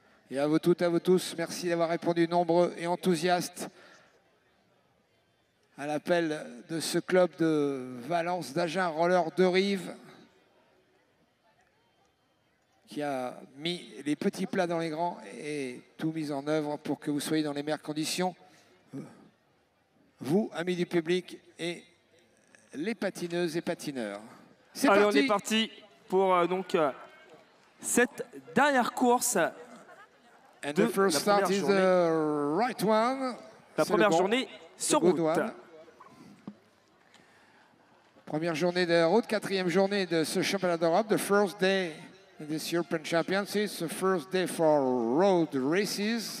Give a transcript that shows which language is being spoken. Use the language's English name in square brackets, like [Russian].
[French] Et à vous toutes, à vous tous, merci d'avoir répondu nombreux et enthousiastes à l'appel de ce club de Valence d'Agen Roller de Rive qui a mis les petits plats dans les grands et tout mis en œuvre pour que vous soyez dans les meilleures conditions. Vous, amis du public, et les patineuses et patineurs. C'est parti. Allez, on est parti pour donc cette dernière course. [English] And the first start is the right one. [French] La première journée sur route. Première journée de route, quatrième journée de ce championnat d'Europe. [English] The first day in this European Championship, the first day for road races.